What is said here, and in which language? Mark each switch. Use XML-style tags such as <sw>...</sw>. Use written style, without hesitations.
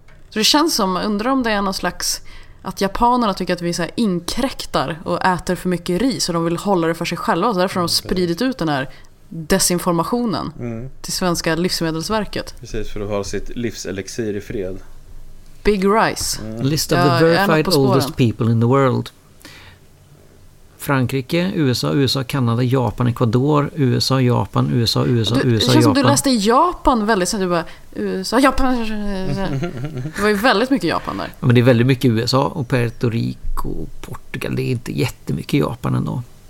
<sv>Så det känns som, undrar om det är någon slags att japanerna tycker att vi så här inkräktar och äter för mycket ris, och de vill hålla det för sig själva, och därför har de spridit ut den här desinformationen till svenska Livsmedelsverket. Precis, för att ha sitt livselixir i fred.</sv> <en>Big rice. Mm. List of the verified oldest people in the world.</en> <sv>Frankrike, USA, Kanada, Japan, Ecuador, USA, Japan, USA, USA, du, USA, det Japan. Du läste Japan väldigt snabbt. Du bara, USA, Japan. Det var ju väldigt mycket Japan där. Ja, men det är väldigt mycket USA och Puerto Rico och Portugal. Det är inte jättemycket Japan ändå.</sv>